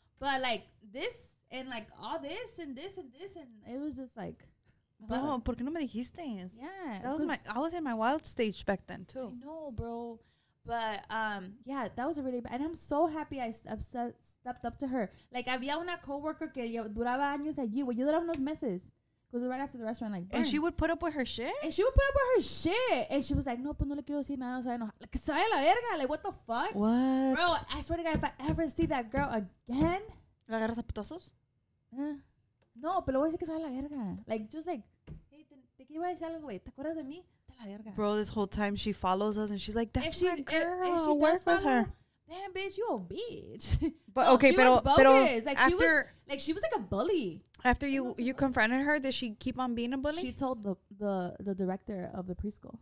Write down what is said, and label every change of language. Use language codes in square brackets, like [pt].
[en] But, like, this and, like, all this and this and this. And it was just, like. [es] No, ¿por qué no me dijiste? [en] Yeah. I was in my wild stage back then, too. I know, bro. But, yeah, that was a really bad. And I'm so happy I stepped up to her. [es] Like, había una coworker que duraba años allí. [en] Well, [es] yo duraba unos meses. [en] Because right after the restaurant, like, burn. And she would put up with her shit? And she would put up with her shit. And she was like, [es] no, pues no le quiero decir nada. [en] So I know. Like, [es] sabe la verga. [en] Like, what the fuck? Bro, I swear to God, if I ever see that girl again. [es] ¿La agarras a putazos? No, pero voy a decir que sabe la verga. [en] Like, just like, hey, [es] te iba a decir algo, güey. ¿Te acuerdas de mí? De la verga. [en] Bro, this whole time she follows us and she's like, that's she, my girl. If she works with her. Damn, bitch, you a bitch. But okay, pero, pero like, after, She was like a bully. After you confronted her, did she keep on being a bully? She told the director of the preschool.